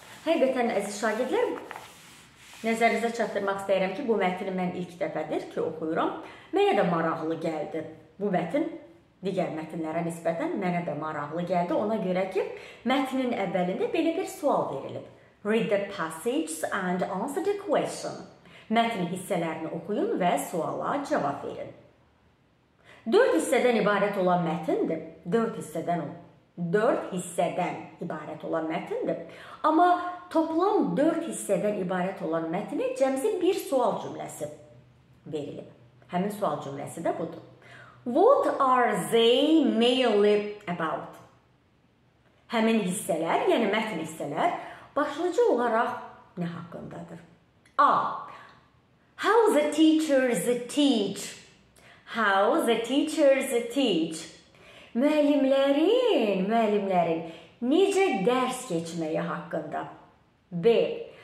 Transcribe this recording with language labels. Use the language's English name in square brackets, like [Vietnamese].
[Azerbaijani] Həqiqətən, əziz şagirdlər, nəzərinizə çatdırmaq istəyirəm ki, bu mətni mən ilk dəfədir ki, oxuyuram. Mənə də maraqlı gəldi bu mətin. Digər mətnlərə nisbətən mənə də maraqlı gəldi. Ona görə ki, mətnin əvvəlində belə bir sual verilib. [English] Read the passages and answer the question. [Azerbaijani] Mətn hissələrini oxuyun və suala cavab verin. 4 hissədən ibarət olan mətndir. 4 hissədən olun. 4 hissədən ibarət olan mətndir. Amma toplam 4 hissədən ibarət olan mətni cəmsin bir sual cümləsi verilib. Həmin sual cümləsi də budur. [English] What are they mainly about? [Azerbaijani] Həmin hissələr, yəni mətn hissələr, başlıca olaraq nə haqqındadır? A. [English] How the teachers teach? How the teachers teach? [Azerbaijani] Müəllimlərin necə dərs keçməyi haqqında? B.